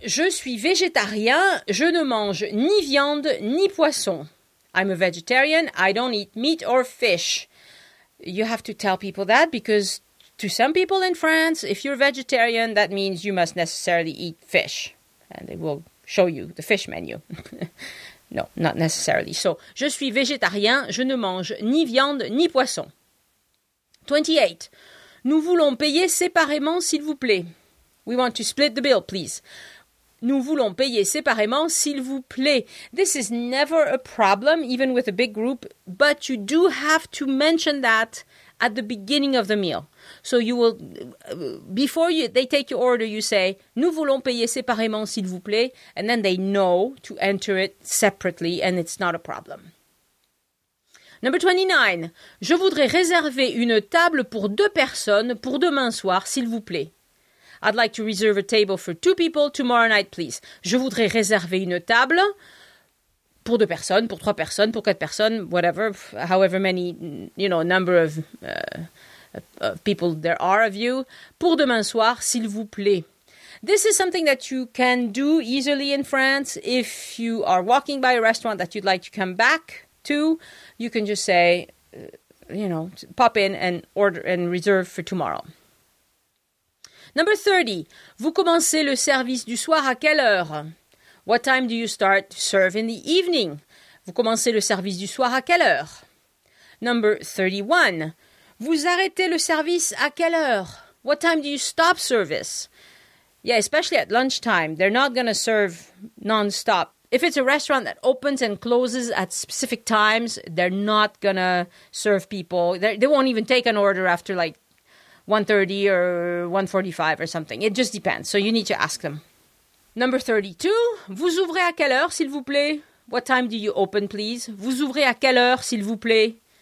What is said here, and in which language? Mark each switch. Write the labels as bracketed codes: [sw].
[fr] Je suis végétarien. Je ne mange ni viande ni poisson. [en] I'm a vegetarian. I don't eat meat or fish. You have to tell people that because to some people in France, if you're vegetarian, that means you must necessarily eat fish. And they will show you the fish menu. No, not necessarily. [fr] So, je suis végétarien, je ne mange ni viande ni poisson. 28. Nous voulons payer séparément, s'il vous plaît. [en] We want to split the bill, please. [fr] Nous voulons payer séparément, s'il vous plaît. [en] This is never a problem, even with a big group, but you do have to mention that at the beginning of the meal. So you will, before they take your order, you say, [fr] nous voulons payer séparément, s'il vous plaît. [en] And then they know to enter it separately and it's not a problem. Number 29. [fr] Je voudrais réserver une table pour 2 personnes pour demain soir, s'il vous plaît. [en] I'd like to reserve a table for 2 people tomorrow night, please. [fr] Je voudrais réserver une table pour 2 personnes, pour 3 personnes, pour 4 personnes, [en] whatever, however many, you know, number of people there are of you, [fr] pour demain soir, s'il vous plaît. [en] This is something that you can do easily in France. If you are walking by a restaurant that you'd like to come back to, you can just say, you know, pop in and order and reserve for tomorrow. Number 30. [fr] Vous commencez le service du soir à quelle heure? [en] What time do you start to serve in the evening? [fr] Vous commencez le service du soir à quelle heure? Number 31. Vous arrêtez le service à quelle heure? [en] What time do you stop service? Yeah, especially at lunchtime. They're not going to serve non-stop. If it's a restaurant that opens and closes at specific times, they're not going to serve people. They won't even take an order after like 1:30 or 1:45 or something. It just depends. So you need to ask them. Number 32. [fr] Vous ouvrez à quelle heure, s'il vous plaît? [en] What time do you open, please? [fr] Vous ouvrez à quelle heure, s'il vous plaît?